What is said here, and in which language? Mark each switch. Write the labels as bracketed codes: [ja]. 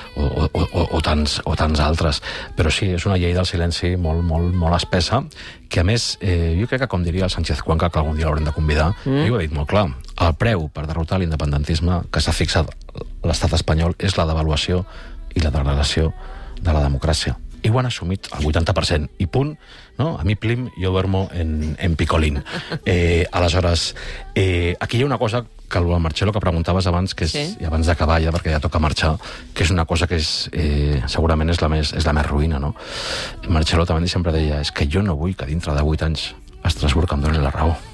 [ca] o tants altres, però sí, és una llei del silenci molt, molt, molt espessa, que a més jo crec que, com diria el Sánchez Cuenca, que algun dia l'haurem de convidar, ho ha dit molt clar, el preu per derrotar l'independentisme que s'ha fixat l'estat espanyol és la devaluació i la degradació de la democràcia. I ho han assumit el 80%, i punt, no? [es] A mi plim, jo duermo en picolín. [ca] Aleshores, aquí hi ha una cosa que el Marcelo, que preguntaves abans, que és, sí, abans d'acabar ja, perquè ja toca marxar, que és una cosa que és, segurament és la més ruïna, no? Marcelo també sempre deia, és que jo no vull que dintre de 8 anys a Estrasburg em donin la raó.